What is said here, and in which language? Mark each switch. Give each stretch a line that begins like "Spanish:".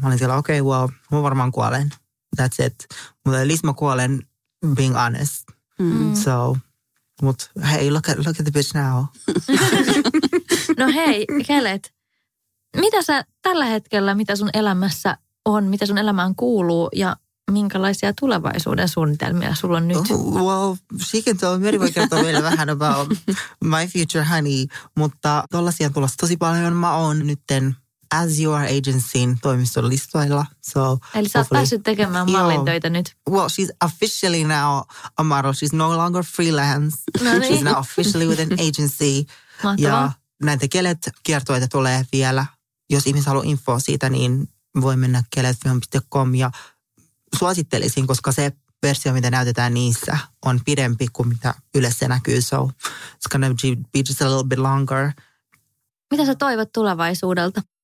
Finnish: Mä olin siellä,
English: okay, well,
Finnish: mä varmaan kuolen.
English: That's it.
Finnish: Mutta
English: at least
Finnish: mä kuolen
English: being honest. Mm. So,
Finnish: mut
English: hey, look at the bitch now.
Finnish: No hei, Kelet, mitä sä tällä hetkellä, mitä sun elämässä on, mitä sun elämään kuuluu ja minkälaisia tulevaisuuden suunnitelmia sulla on nyt?
English: Well, she can tell.
Finnish: Meri voi kertoa vielä vähän
English: about my future honey.
Finnish: Mutta tollaisia on tulossa tosi paljon. Mä oon nytten As Your Agencyn toimiston listoilla. So, eli sä oot päässyt tekemään mallintöitä nyt.
English: Well, she's officially now a model. She's no longer freelance.
Finnish: No niin.
English: She's now officially with an agency.
Finnish: Mahtavaa. Ja näitä Kelet kertoita tulee vielä. Jos ihmiset haluaa infoa siitä, niin voi mennä keletfilm.com ja suosittelisin, koska se versio, mitä näytetään niissä, on pidempi kuin mitä yleensä näkyy.
English: So it's gonna be just a little bit longer.
Finnish: Mitä sä toivot tulevaisuudelta?